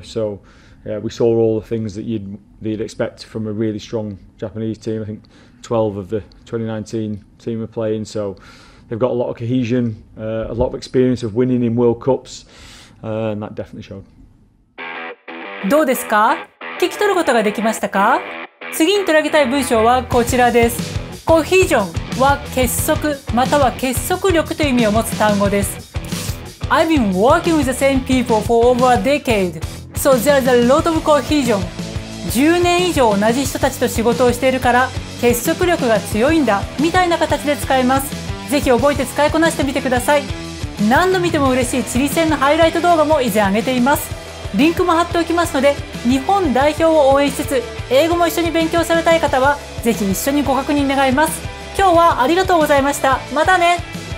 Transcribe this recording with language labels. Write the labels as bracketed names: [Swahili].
[English] So yeah, we saw all the things that you'd expect from a really strong Japanese team. I think 12 of the 2019 team are playing. So. They've got a lot of cohesion, a lot of experience of winning in World Cups, and that definitely showed. [Japanese] どうですか？聞き取ることができましたか？次に取り上げたい文章はこちらです。コヒージョンは結束または結束力という意味を持つ単語です。 [English] I've been working with the same people for over a decade, so there's a lot of cohesion. [Japanese] 10年以上同じ人たちと仕事をしているから結束力が強いんだみたいな形で使えます。ぜひ覚えて使いこなしてみてください。何度見ても嬉しいチリ戦のハイライト動画も以前上げています。リンクも貼っておきますので、日本代表を応援しつつ、英語も一緒に勉強されたい方は、ぜひ一緒にご確認願います。今日はありがとうございました。またね。